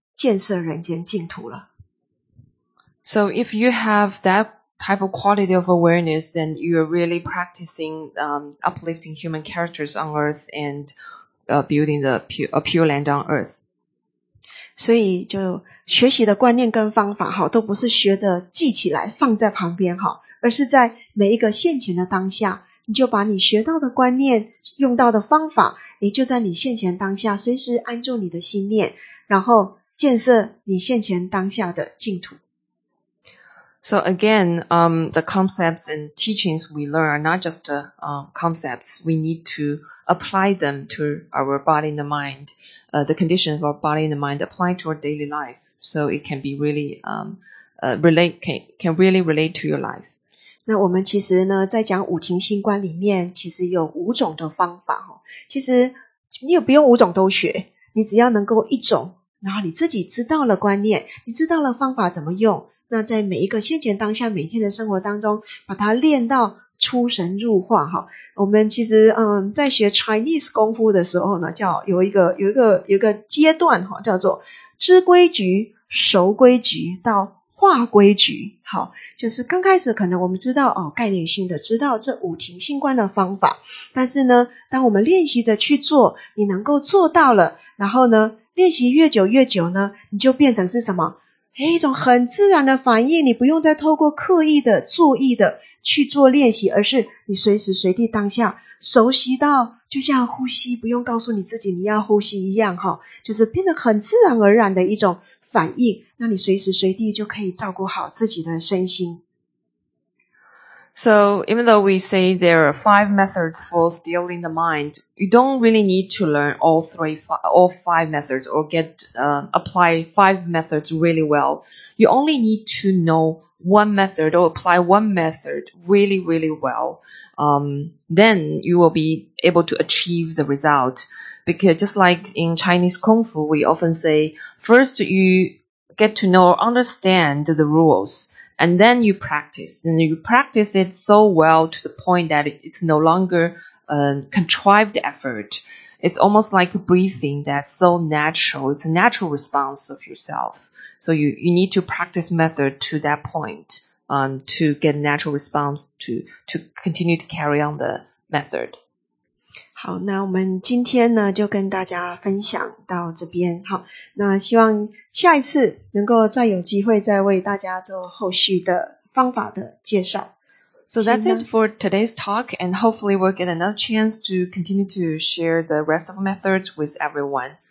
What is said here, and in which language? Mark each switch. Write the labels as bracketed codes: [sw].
[zh] 建设人间净土了。 [en] So if you have that type of quality of awareness, then you are really practicing uplifting human characters on earth and building the pure land on earth. [zh] 所以就学习的观念跟方法哈，都不是学着记起来放在旁边哈，而是在每一个现前的当下，你就把你学到的观念用到的方法，你就在你现前当下随时安住你的心念，然后建设你现前当下的净土。 [en] So again, the concepts and teachings we learn are not just concepts. We need to apply them to our body and the mind, the conditions of our body and the mind apply to our daily life. So it can be really, relate to your life. [zh] 那我们其实呢，在讲五庭心观里面，其实有五种的方法哈。其实你也不用五种都学，你只要能够一种，然后你自己知道了观念，你知道了方法怎么用。那在每一个现前当下每天的生活当中把它练到出神入化哈。我们其实在学 Chinese 功夫的时候呢叫有一个阶段哈，叫做知规矩熟规矩到化规矩。好，就是刚开始可能我们知道概念性的知道这五庭心观的方法，但是呢当我们练习着去做，你能够做到了，然后呢练习越久越久呢，你就变成是什么一种很自然的反应，你不用再透过刻意的注意的去做练习，而是你随时随地当下熟悉到就像呼吸不用告诉你自己你要呼吸一样，就是变得很自然而然的一种反应，那你随时随地就可以照顾好自己的身心。 [en] So even though we say there are five methods for stilling the mind, you don't really need to learn all five methods or apply five methods really well. You only need to know one method or apply one method really, really well. Then you will be able to achieve the result. Because just like in Chinese Kung Fu, we often say, first you get to know or understand the rules. And then you practice, and you practice it so well to the point that it's no longer a contrived effort. It's almost like breathing that's so natural. It's a natural response of yourself. So you need to practice method to that point to get natural response to continue to carry on the method. [zh] 好，那我们今天呢就跟大家分享到这边。好，那希望下一次能够再有机会再为大家做后续的方法的介绍。 [en] So that's it for today's talk, and hopefully we'll get another chance to continue to share the rest of methods with everyone.